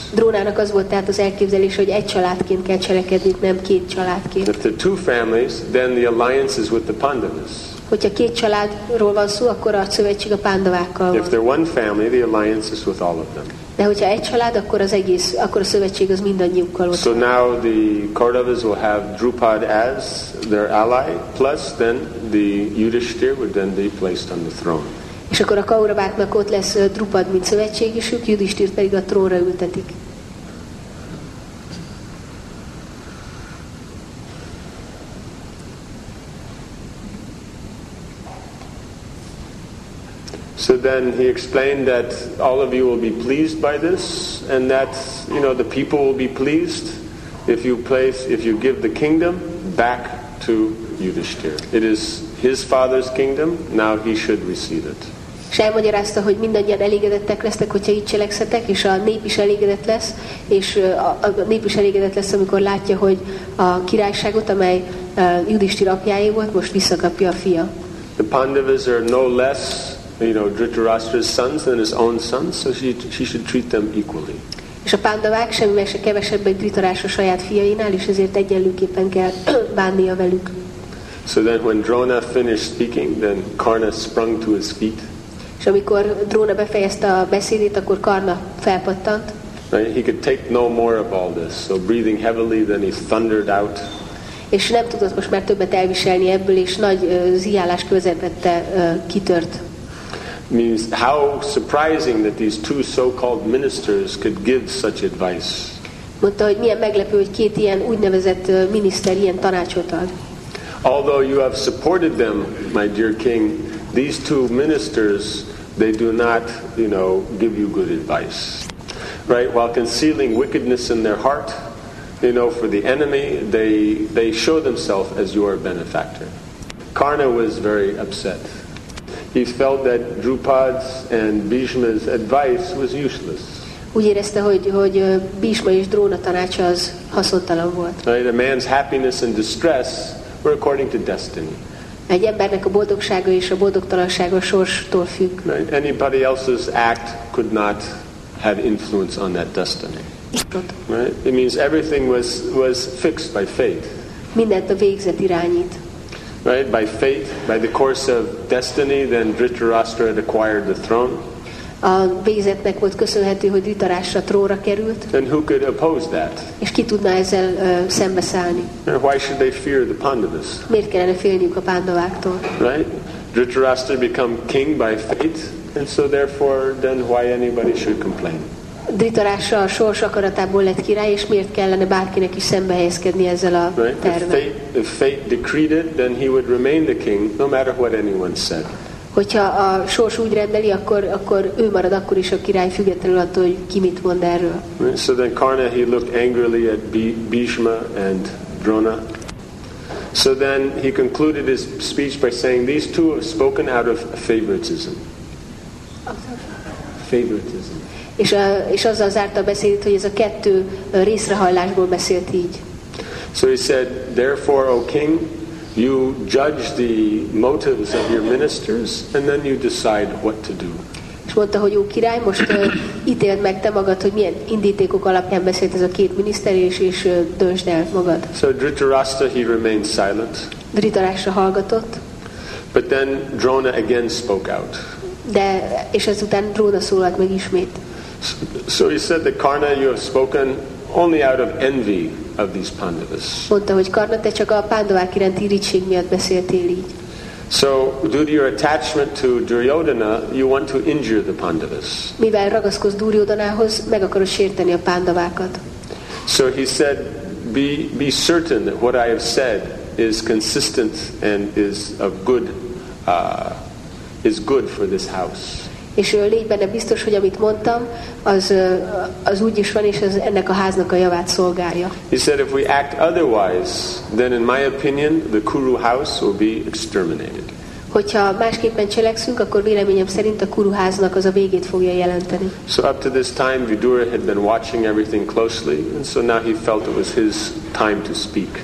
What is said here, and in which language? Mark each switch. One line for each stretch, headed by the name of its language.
Hungarian: Drónának az volt tehát az elképzelés, hogy egy családként kell cselekedni, nem két családként.
English: If they're two families, then the alliance is with the Pandavas.
Hungarian: Hogyha két családról van szó, akkor a szövetség a Pándavákkal van.
English: If they're one family, the alliance is with all of them.
Hungarian: De hogyha egy család, akkor az egész, akkor a szövetség az mindannyiukkal van.
English: So now the Kauravas will have Drupad as their ally, plus then the Yudhishthir would then be placed on the throne.
Hungarian: És akkor a Kauraváknak ott lesz Drupad, mint szövetségisük, Yudhishthir pedig a trónra ültetik.
English: So then he explained that all of you will be pleased by this, and that, you know, the people will be pleased if you place, if you give the kingdom back to Yudhishthir. It is his father's kingdom, now he should receive it.
Hungarian: És elmagyarázta, hogy mindannyian elégedettek lesztek, hogyha így cselekszetek, és a nép is elégedett lesz, és a nép is elégedett lesz, amikor látja, hogy a királyságot, amely Yudhishthir apjáé volt, most visszakapja a fia.
English: The Pandavas are no less, you know, Dhritarashtra's sons than his own sons, so she should treat them equally.
Hungarian: És a Pándavák semmivel se kevesebb egy Dhritarashtra saját fiainál, és ezért egyenlőképpen kell bánnia velük.
English: So then when Drona finished speaking, then Karna sprung to his feet.
Hungarian: És amikor Drona befejezte a beszédét, akkor Karna felpattant.
English: Right? He could take no more of all this, so breathing heavily, then he thundered out.
Hungarian: És nem tudott most már többet elviselni ebből, és nagy zihálás közepette kitört.
English: Means how surprising that these two so-called ministers could give such advice.
Hungarian: Mondta, hogy milyen meglepő, hogy két ilyen úgynevezett miniszter ilyen tanácsot ad.
English: Although you have supported them, my dear king, these two ministers, they do not, you know, give you good advice. Right? While concealing wickedness in their heart, you know, for the enemy, they show themselves as your benefactor. Karna was very upset. He felt that Drupad's and Bhishma's advice was useless.
Hungarian: Úgy érezte, hogy Bhishma és Dróna tanácsa az haszontalan volt.
English: Right, a man's happiness and distress were according to destiny.
Hungarian: Egy embernek a boldogsága és a boldogtalansága sorstól függ.
English: Right, anybody else's act could not have influence on that destiny. Right? It means everything was fixed by fate.
Hungarian: Mindent a végzet irányít.
English: Right, by fate, by the course of destiny, then Dhritarashtra had acquired the throne.
Hungarian: A végzetnek volt köszönhető, hogy Dhritarashtra trónra került.
English: And who could oppose that?
Hungarian: És ki tudná ezzel szembeszállni?
English: And why should they fear the Pandavas?
Hungarian: Miért kellene félniük a Pandaváktól?
English: Right, Dhritarashtra become king by fate, and so therefore, then why anybody should complain?
Hungarian: Dhritarashtra a sors akaratából lett király, és miért kellene bárkinek is szembehelyezkedni ezzel a tervvel?
English: Right? If fate decreed it, then he would remain the king, no matter what anyone said.
Hungarian: Hogyha a sors úgy rendeli, akkor ő marad akkor is a király, függetlenül attól, hogy ki mit mond erről.
English: Right? So then Karna, he looked angrily at Bhishma and Drona. So then he concluded his speech by saying, these two have spoken out of favoritism. Favoritism.
Hungarian: És azzal zárta a beszédét, hogy ez a kettő részrehajlásból beszélt így.
English: So he said, therefore, O king, you judge the motives of your ministers, and then you decide what to do.
Hungarian: És mondta, hogy ó király, most ítéld meg te magad, hogy milyen indítékok alapján beszélt ez a két miniszter, és döntsd el magad.
English: So Dhritarashtra, he remained silent.
Hungarian: Dhritarashtra hallgatott.
English: But then Drona again spoke out.
Hungarian: De, és ezután Drona szólalt meg ismét.
English: So he said that Karna, you have spoken only out of envy of these Pandavas.
Hungarian: Mondta, hogy Karna, te csak a Pandavák iránti irigység miatt beszéltél így.
English: So due to your attachment to Duryodhana, you want to injure the Pandavas.
Hungarian: Mivel ragaszkodsz Duryodhanához, meg akarod sérteni a Pandavákat.
English: So he said, be certain that what I have said is consistent and is of good is good for this house.
Hungarian: És légy benne biztos, hogy amit mondtam, az úgy is van, és ez ennek a háznak a javát szolgálja.
English: He said, if we act otherwise, then in my opinion, the Kuru house will be exterminated.
Hungarian: Hogyha másképpen cselekszünk, akkor véleményem szerint a Kuru háznak az a végét fogja jelenteni.
English: So up to this time, Vidura had been watching everything closely, and so now he felt it was his time to speak.